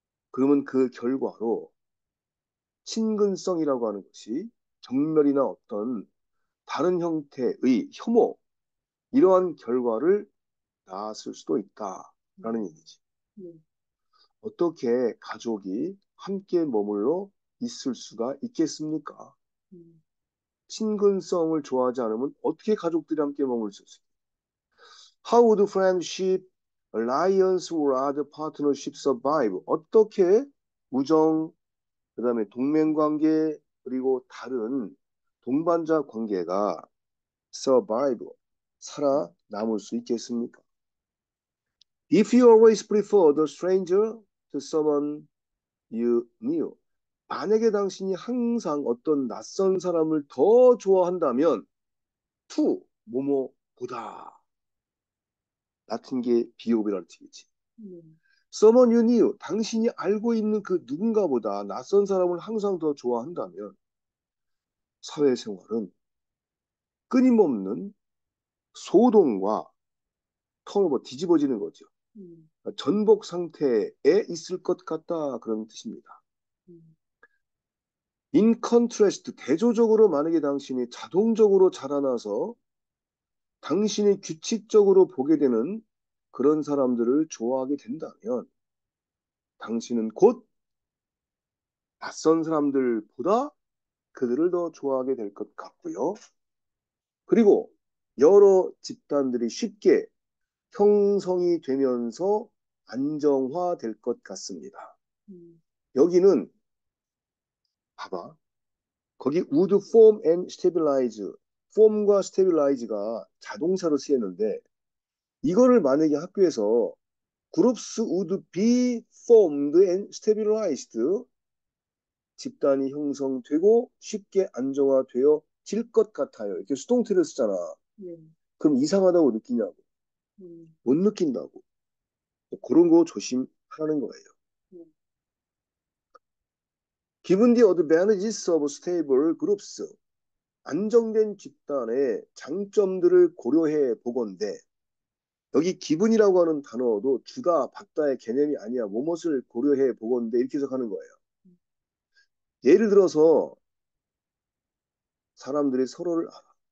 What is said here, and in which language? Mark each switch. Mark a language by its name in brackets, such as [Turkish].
[Korean] 그러면 그 결과로 친근성이라고 하는 것이 정멸이나 어떤 다른 형태의 혐오, 이러한 결과를 낳았을 수도 있다라는 얘기지. 어떻게 가족이 함께 머물러 있을 수가 있겠습니까? 친근성을 좋아하지 않으면 어떻게 가족들이 함께 머물 수 있을까? [English] How would friendship, alliance, or other partnership survive? [Korean] 어떻게 우정, 그다음에 동맹관계, 그리고 다른 동반자 관계가 survive, 살아남을 수 있겠습니까? [English] If you always prefer the stranger to someone you knew, [Korean] 만약에 당신이 항상 어떤 낯선 사람을 더 좋아한다면, [English] to, [Korean] 뭐뭐보다. 같은 게 비오비랄 티이지. [English] Someone you knew, [Korean] 당신이 알고 있는 그 누군가보다 낯선 사람을 항상 더 좋아한다면, 사회생활은 끊임없는 소동과 턴오버, 뒤집어지는 거죠. 전복 상태에 있을 것 같다. 그런 뜻입니다. [English] In contrast, [Korean] 대조적으로 만약에 당신이 자동적으로 자라나서 당신이 규칙적으로 보게 되는 그런 사람들을 좋아하게 된다면 당신은 곧 낯선 사람들보다 그들을 더 좋아하게 될것 같고요. 그리고 여러 집단들이 쉽게 형성이 되면서 안정화될 것 같습니다. 여기는 봐봐. [English] 거기 would form and stabilize. [Korean] form과 stabilize가 자동사로 쓰였는데 이거를 만약에 학교에서 [English] groups would be formed and stabilized. [Korean] 집단이 형성되고 쉽게 안정화되어 질것 같아요. 이렇게 수동태를 쓰잖아. 그럼 이상하다고 느끼냐고. 못 느낀다고. 그런 거 조심하는 거예요. [English] 기본 the advantages of stable groups. [Korean] 안정된 집단의 장점들을 고려해 보건대. 여기 기분이라고 하는 단어도 주가 받다의 개념이 아니야. 무엇을 고려해 보건대. 이렇게 해석하는 거예요. 예를 들어서 사람들이 서로를 알아.